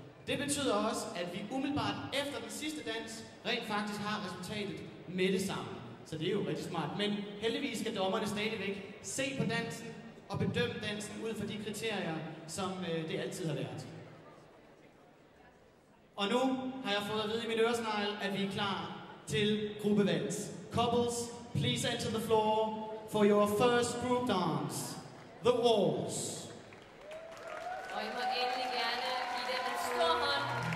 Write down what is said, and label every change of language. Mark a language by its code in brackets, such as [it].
[da] Det betyder også, at vi umiddelbart efter den sidste dans rent faktisk har resultatet med det samme. Så det er jo rigtig smart. Men heldigvis skal dommerne stadigvæk se på dansen og bedømme dansen ud fra de kriterier, som det altid har været. Og nu har jeg fået at vide i min øresnegl, at vi er klar til gruppevalg. [en] Couples, please enter the floor for your first group dance. The Walls. [da] Og I må endelig gerne give dem en stor hånd.